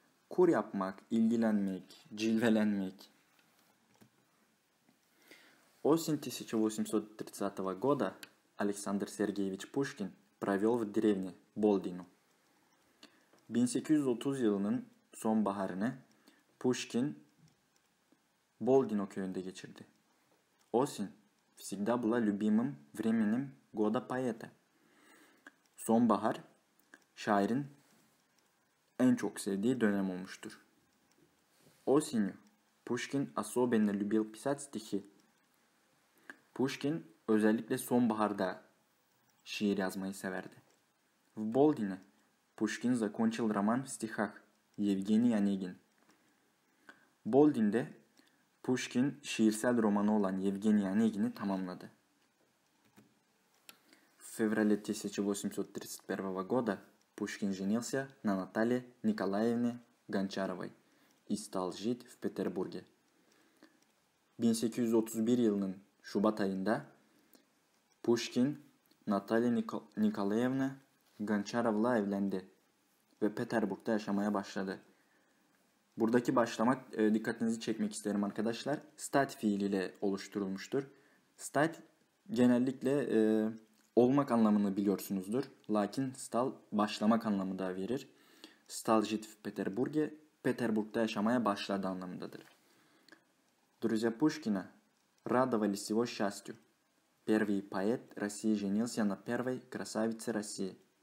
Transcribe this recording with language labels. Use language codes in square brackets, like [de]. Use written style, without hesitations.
[tr] Kur yapmak, ilgilenmek, cilvelenmek. [ru] Осень 1830 года Александр Сергеевич Пушкин провел в деревне Болдину. [tr] 1830 yılının sonbaharını Пушкин Болдино köyünde geçirdi. [ru] Осень всегда была любимым временем года поэта. [tr] Sonbahar şairin en çok sevdiği dönem olmuştur. [ru] Осенью Пушкин особенно любил писать стихи. [tr] Пушкин özellikle sonbaharda şiir yazmayı severdi. [ru] В Болдине Пушкин закончил роман в стихах Евгений Онегин. [tr] Болдин'de Пушкин şiirsel romanı olan Евгений Онегин'i tamamladı. [ru] В феврале 1831 года Пушкин женился на Наталье Николаевне Гончаровой и стал жить в Петербурге. [tr] 1831 yılının Şubat ayında Пушкин Наталья Николаевна Гончарова'yla evlendi ve Petersburg'da yaşamaya başladı. Buradaki başlamak dikkatinizi çekmek isterim arkadaşlar. Stat fiiliyle oluşturulmuştur. Stat genellikle olmak anlamını biliyorsunuzdur. Lakin stal başlamak anlamı da verir. Стал жить в Петербурге, Петербург'da yaşamaya başladı anlamındadır. [ru] Друзья Пушкина радовались его счастью. Первый поэт России женился на первой красавице России.